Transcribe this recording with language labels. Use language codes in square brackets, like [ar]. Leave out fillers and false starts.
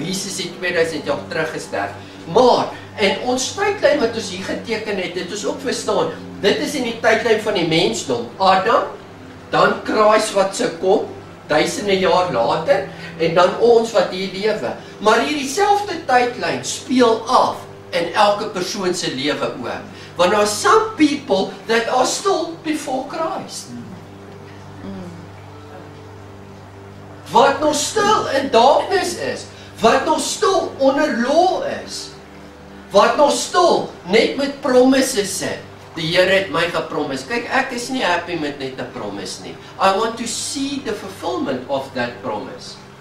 [af] Jesus het 2000 jaar terug gesterf. Maar in ons tydlyn wat ons hier geteken het, dit is ook verstaan. Dit is in die tydlyn van die mensdom. Adam, dan Christ wat se kom duisende jaar later en dan ons wat hier lewe. Maar hier dieselfde tydlyn speel af in elke persoon se lewe ook. Want [en] there are some people that are still before Christ. [af] Wat nog stil in darkness is, wat nog stil onder law is, wat nog stil net met promises sit. Die Here het my gepromise. Kyk, ek is nie happy met net 'n promise nie. [en] I want to see the fulfillment of that promise.